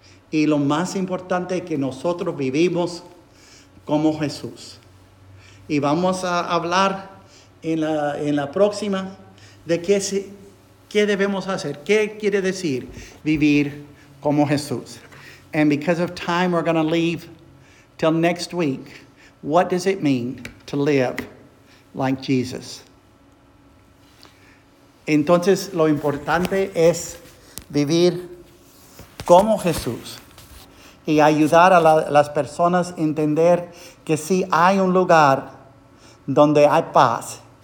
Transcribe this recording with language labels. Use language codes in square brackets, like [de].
[es] Y lo más importante es que nosotros vivimos como Jesús. Y vamos a hablar en la próxima de qué debemos hacer. ¿Qué quiere decir vivir como Jesús? [en] And because of time, we're going to leave till next week. What does it mean to live like Jesus? [es] Entonces, lo importante es vivir como Jesús y ayudar a las personas a entender que sí hay un lugar donde hay paz